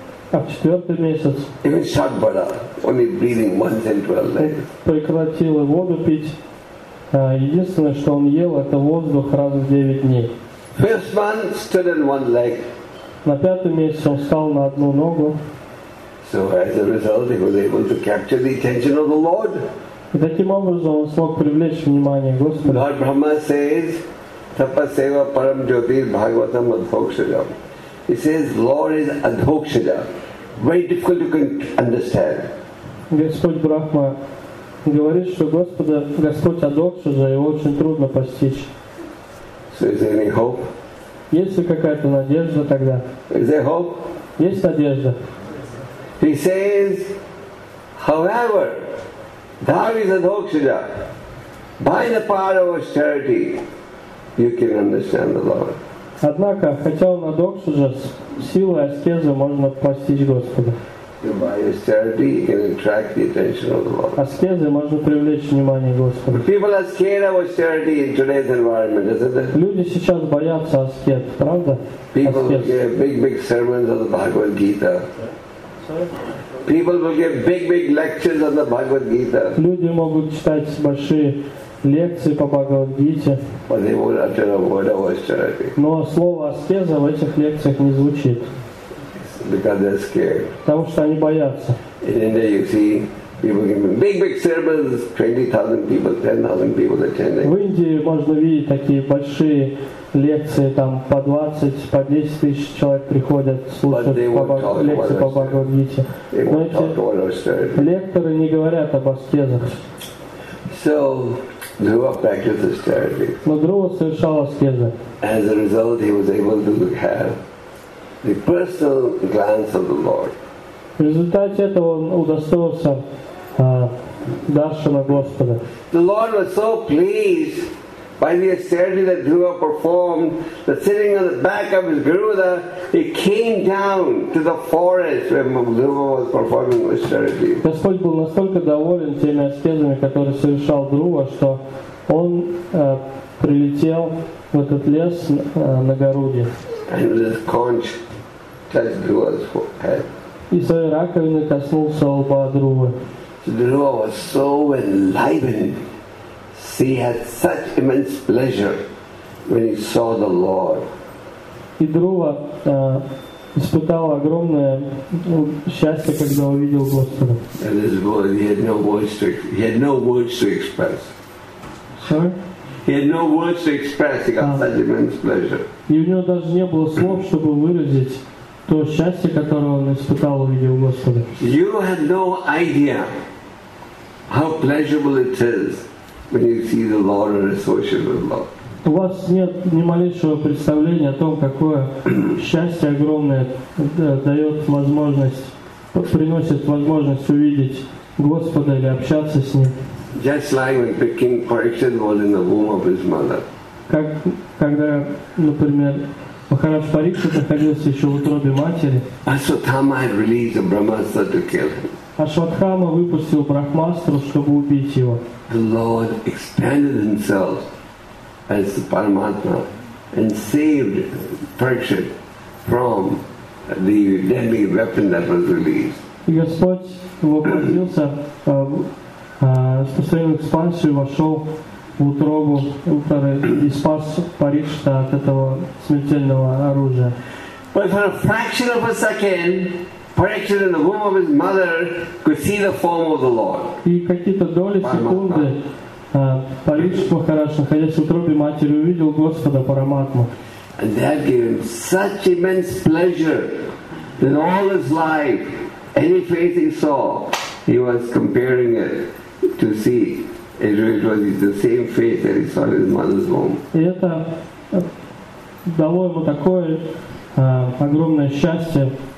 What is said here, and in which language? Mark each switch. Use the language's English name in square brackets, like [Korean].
[Russian] А в четвертый месяц. [English] Even shot butter, only breathing once in 12 days. [Russian] Прекратил воду пить Единственное, что он ел, это воздух раз в 9 дней. [English] First one stood on one leg. [Russian] На пятом месяце он встал на одну ногу. [English] So as a result, he was able to capture the attention of the Lord. [Russian] И таким образом он смог привлечь внимание Господа. [English] Lord Brahma says, [Sanskrit] "Tapaseva param jyotir bhagavatam adhokshajam." [English] He says, "Lord is adhokshaja." Very difficult you can understand. [Russian] Господь Брахма говорит, что Господа, Господь адхокшаджа, его очень трудно постичь. [English] So is there any hope? [Russian] Есть ли какая-то надежда тогда? [English] Is there hope? [Russian] Есть надежда. [English] He says, however, thou is adhokshaja, by the power of austerity, you can understand the Lord. [Russian] Однако, хотя он адхокшаджа, силой аскезы можно постичь Господа. [English] By austerity, you can attract the attention of the Lord. [Russian] Аскезы можно привлечь внимание Господа. [English] But people are scared of austerity in today's environment, isn't it? [Russian] Люди сейчас боятся аскез, правда? [English] People will give big sermons on the Bhagavad Gita. People will give big lectures on the Bhagavad Gita. [Russian] Люди могут читать большие лекции по Бхагавад Гите. [English] But they won't utter a word of austerity. [Russian] Но слово аскеза в этих лекциях не звучит. [English] Because they're scared. [Russian] Потому что они боятся. [English] In India, you see, people give big sermons, 20,000 people, 10,000 people attending. [Russian] В Индии можно видеть такие большие лекции, там по 20, по 10 тысяч человек приходят слушать лекции по Бхагавад Гите. Но эти лекторы не говорят об аскезах. [English] So, Dhruva practiced austerity. [Russian] Но Dhruva совершал аскезы. [English] As a result, he was able to have the personal glance of the Lord. [Russian] В результате этого он удостоился даршана Господа. [English] The Lord was so pleased by the austerity that Dhruva performed, that sitting on the back of his Garuda, he came down to the forest where Dhruva was performing austerity. [Russian] Господь был настолько доволен теми аскезами, которые совершал Друва, что он прилетел в этот лес на Гаруде. [English] And with his conch touched Dhruva's head. [Russian] И своей раковиной коснулся лба Друвы. [English] Dhruva was so enlivened. He had such immense pleasure when he saw the Lord. [Russian] И Друва испытал огромное счастье, когда увидел Господа. [English] And his voice, he had no words to express. Sorry? He had no words to express. He got such immense pleasure. [Russian] И у него даже не было слов, чтобы выразить то счастье, которое он испытал, увидел Господа. [English] You have no idea how pleasurable it is when you see the Lord and associate with the Lord. [Russian] У вас нет ни малейшего представления о том, какое счастье огромное дает возможность, приносит возможность увидеть Господа или общаться с Ним. [English] Just like when King Parikshit was in the womb of his mother. [Russian] Как когда, например, Махарадж Парикшит находился еще в утробе матери. [English] Ашватхама had released a Брахмастра to kill him. [Russian] Ашватхама выпустил Брахмастру, чтобы убить его. [English] The Lord expanded himself as the Paramatma and saved Parikshit from the deadly weapon that was released. [Russian] И Господь воплотился спустя экспансию вошел в утробу и спас Парикшита от этого смертельного оружия. [English] But for a fraction of a second, Parikshit in the womb of his mother could see the form of the Lord. [Russian] И какие-то доли секунды Парикшит Махарадж, находясь в утробе матери, увидел Господа Параматму. [English] And that gave him such immense pleasure that all his life, any face he saw, he was comparing it to see. It was the same face that he saw in his mother's womb. [Russian] И это дало ему такое огромное счастье.